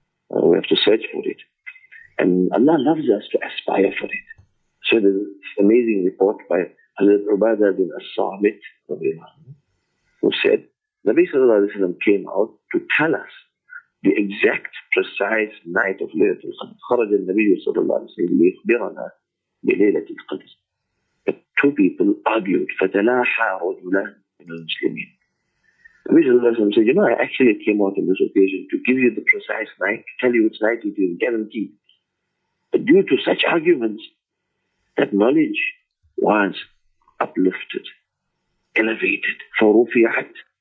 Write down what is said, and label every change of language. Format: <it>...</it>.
<en>We have to search for it. And Allah loves us to aspire for it. So there's an amazing report by Hazrat Ubadah bin As-Sabit, who said, Nabi Sallallahu Alaihi Wasallam came out to tell us the exact, precise night of Laylatul Qadr.</en> <ar>خرج النبي صلى الله عليه وسلم ليخبرنا بليلة القدر.</ar> <en>But two people argued.</en> <ar>فتلاحى رجلان من المسلمين.</ar> <en>Nabi</en> <ar>صلى الله عليه وسلم</ar> <en>said, you know, I actually came out on this occasion to give you the precise night, to tell you which night it is guaranteed. But due to such arguments, that knowledge was uplifted, elevated,</en> <ar>فرفعت.</ar>